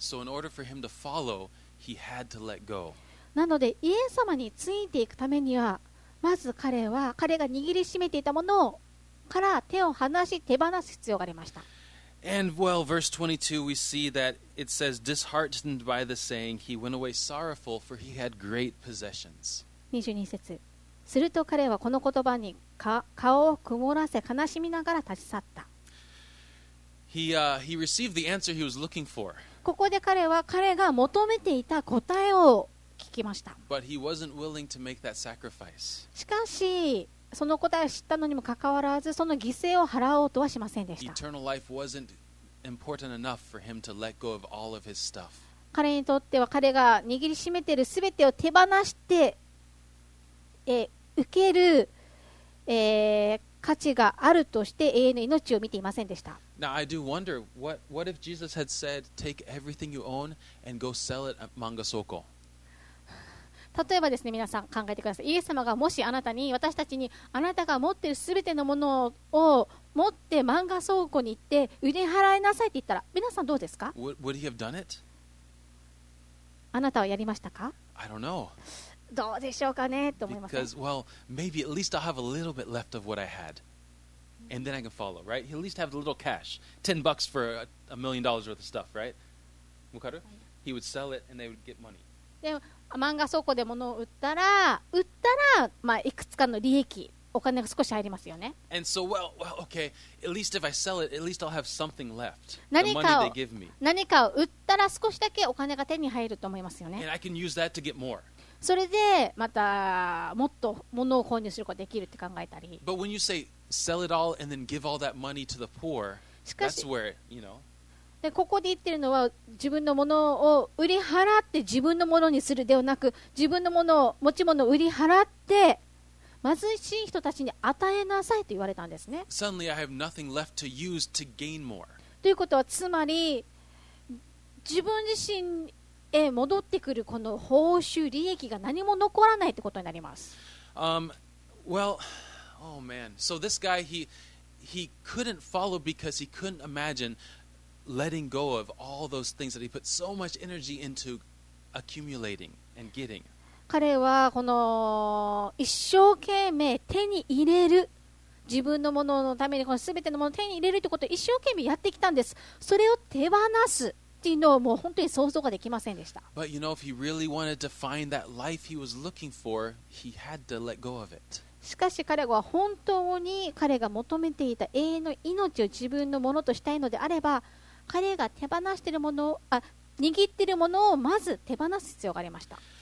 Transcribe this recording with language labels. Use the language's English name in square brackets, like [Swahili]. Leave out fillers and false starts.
[English] So in order for him to follow, he had to let go. [Japanese] なのでイエス様についていくためには、まず彼が握りしめていたものをから手を離し手放す必要がありました。 [English] And well, verse 22, we see that it says, disheartened by the saying, he went away sorrowful, for he had great possessions. [Japanese] 22節、すると彼はこの言葉に顔を曇らせ悲しみながら立ち去った。 [English] He received the answer he was looking for. [Japanese] ここで彼は彼が求めていた答えを聞きました。 [English] But he wasn't willing to make that sacrifice. [Japanese] しかし、その答えを知ったのにもかかわらず、その犠牲を払おうとはしませんでした。 [English] Eternal life wasn't important enough for him to let go of all of his stuff. [Japanese] 彼にとっては彼が握りしめているすべてを手放して、受ける、価値があるとして永遠の命を見ていませんでした。 [English] Now I do wonder what if Jesus had said, take everything you own and go sell it at Manga Soko. [Japanese] 例えばですね、皆さん考えてください。イエス様がもしあなたに、私たちにあなたが持っているすべてのものを持って漫画倉庫に行って売り払いなさいって言ったら、皆さんどうですか？ [English] Would he have done it? [Japanese] あなたはやりましたか？ [English] I don't know. [Japanese] どうでしょうかねと思います。 [English] Because, well, maybe at least I'll have a little bit left of what I had. And then I can follow, right? He'll at least have a little cash. $10 for $1 million worth of stuff, right? [Japanese] わかる？ [English] He would sell it and they would get money. [Japanese] で、漫画倉庫で物を売ったら、まあ、いくつかの利益、お金が少し入りますよね。 [English] And so, well, okay, at least if I sell it, at least I'll have something left. [Japanese] 何かを売ったら少しだけお金が手に入ると思いますよね。 [English] And I can use that to get more. [Japanese] それで、またもっと物を購入することができるって考えたり。 [English] But when you say, sell it all and then give all that money to the poor, that's where, you know, [Japanese] でここで言ってるのは自分のものを売り払って自分のものにするではなく自分のものを持ち物を売り払って貧しい人たちに与えなさいと言われたんですね。 [English] Suddenly I have nothing left to use to gain more. [Japanese] ということはつまり自分自身へ戻ってくるこの報酬利益が何も残らないということになります。 [English] Well, oh man. So this guy he couldn't follow because he couldn't imagineletting go of all those things that he put so much energy into accumulating and getting. [Japanese] 彼はこの一生懸命手に入れる自分のもののためにこの全てのものを手に入れるということを一生懸命やってきたんです。それを手放すっていうのをもう本当に想像ができませんでした。 [English] But you know, if he really wanted to find that life he was looking for, he had to let go of it. [Japanese] しかし彼は本当に彼が求めていた永遠の命を自分のものとしたいのであれば、彼が手放しているものを、握っているものをまず手放す必要がありました。